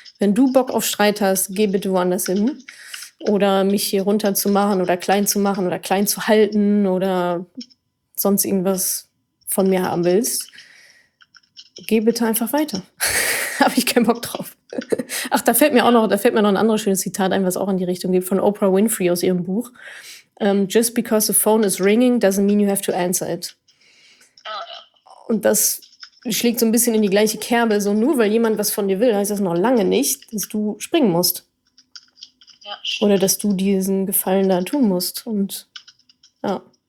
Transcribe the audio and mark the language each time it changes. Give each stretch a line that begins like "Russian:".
German: Wenn du Bock auf Streit hast, geh bitte woanders hin. Oder mich hier runter zu machen oder klein zu machen oder klein zu halten oder sonst irgendwas von mir haben willst, geh bitte einfach weiter. Habe ich keinen Bock drauf. Ach, da fällt mir noch ein anderes schönes Zitat ein, was auch in die Richtung geht, von Oprah Winfrey aus ihrem Buch.
English: Just because the phone is ringing doesn't mean you have to answer it.
German: Und das schlägt so ein bisschen in die gleiche Kerbe, so nur weil jemand was von dir will, heißt das noch lange nicht, dass du springen musst. Ja, oder dass du diesen Gefallen da tun musst. Und ja.